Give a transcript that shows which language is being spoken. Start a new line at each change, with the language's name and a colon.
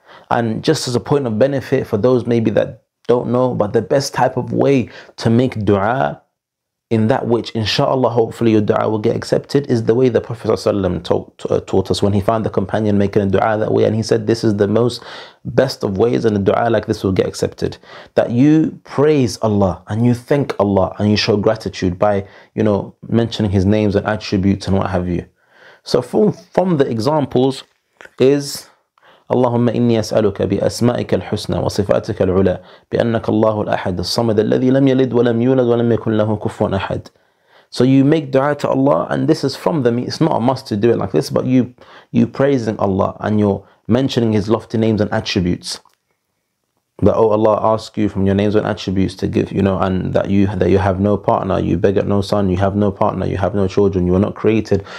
English: And just as a point of benefit for those maybe that don't know, but the best type of way to make dua in that which, inshallah, hopefully your dua will get accepted, is the way the Prophet taught us when he found the companion making a dua that way. And he said, this is the most best of ways, and a dua like this will get accepted. That you praise Allah and you thank Allah and you show gratitude by, you know, mentioning his names and attributes and what have you. So from the examples is,
Arabic: اللهم إني أسألك بأسمائك الحسنى وصفاتك العلى بأنك الله الأحد الصمد الذي لم يلد ولم يولد ولم يكن له كفوا أحد.
English: So you make dua to Allah, and this is from the, it's not a must to do it like this, but you praising Allah and you're mentioning his lofty names and attributes. That, oh Allah, ask you from your names and attributes to give, you know, and that you have no partner, you beg at no son, you have no partner, you have no children, you are not created.